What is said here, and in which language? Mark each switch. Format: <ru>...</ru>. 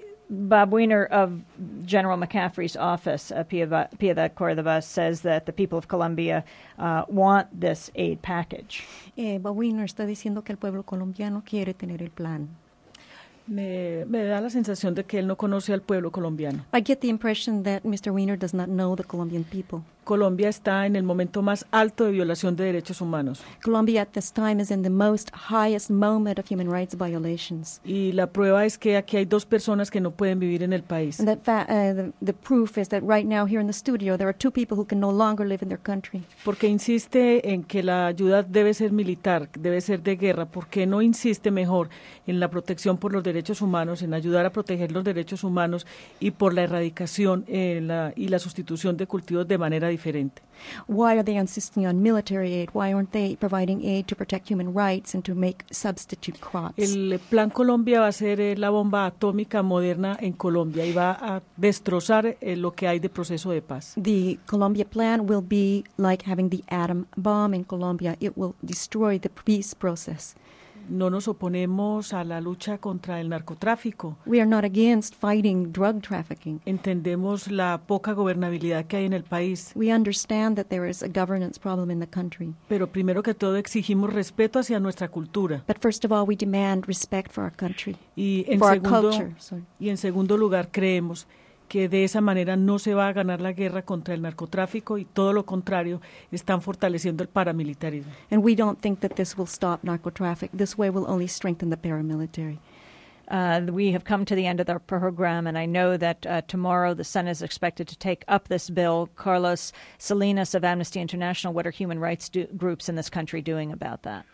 <en>Bob Weiner of General McCaffrey's office, Piedad Córdoba, says that the people of Colombia want this aid package.</en> <es>Bob Weiner está diciendo que el pueblo colombiano quiere tener el plan. Me da la sensación de que él no conoce al pueblo colombiano.</es> <en>I get the impression that Mr. Weiner does not know the Colombian people.</en> <es>Colombia está en el momento más alto de violación de derechos humanos.</es> <en>Colombia at this time is in the most highest moment of human rights violations.</en> <es>Y la prueba es que aquí hay dos personas que no pueden vivir en el país.</es> <en>And the proof is that right now here in the studio there are two people who can no longer live in their country.</en> <es>¿Por qué insiste en que la ayuda debe ser militar, debe ser de guerra? ¿Por qué no insiste mejor en la protección por los derechos humanos, en ayudar a proteger los derechos humanos y por la erradicación y la sustitución de cultivos de manera diferente.</es> <en>Why are they insisting on military aid? Why aren't they providing aid to protect human rights and to make substitute crops?</en> <es>El Plan Colombia va a ser la bomba atómica moderna en Colombia y va a destrozar lo que hay de proceso de paz.</es> <en>The Colombia plan will be like having the atom bomb in Colombia. It will destroy the peace process.</en> <es>No nos oponemos a la lucha contra el narcotráfico.</es> <en>We are not against fighting drug trafficking.</en> <es>Entendemos la poca gobernabilidad que hay en el país.</es> <en>We understand that there is a governance problem in the country.</en> <es>Pero primero que todo exigimos respeto hacia nuestra cultura.</es> <en>But first of all, we demand respect for our country,</en> <es>Y en segundo lugar, creemos que de esa manera no se va a ganar la guerra contra el narcotráfico y todo lo contrario, están fortaleciendo el paramilitarismo.</es> <en>And we don't think that this will stop narcotraffic. This way will only strengthen the paramilitary. We have come to the end of our program, and I know that tomorrow the Senate is expected to take up this bill. Carlos Salinas of Amnesty International, what are human rights groups in this country doing about that?</en>